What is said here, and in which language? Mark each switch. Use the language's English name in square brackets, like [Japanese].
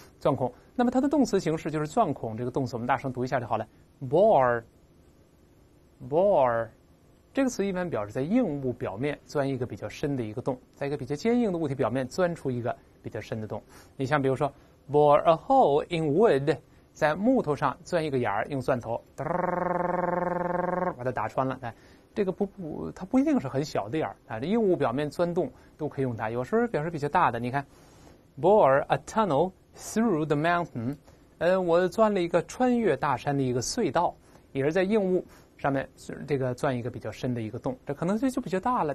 [Chinese] 钻孔，那么它的动词形式就是钻孔。这个动词我们大声读一下就好了 ，bore。这个词一般表示在硬物表面钻一个比较深的一个洞，在一个比较坚硬的物体表面钻出一个比较深的洞。你像比如说 [English] ，bore a hole in wood。 [Chinese] 在木头上钻一个眼儿，用钻头把它打穿了。哎，这个它不一定是很小的眼儿啊。这硬物表面钻洞都可以用它，有时候表示比较大的。你看 ， [English] bore a tunnel through the mountain， [Chinese] 我钻了一个穿越大山的一个隧道，也是在硬物上面这个钻一个比较深的一个洞，这可能性就比较大了。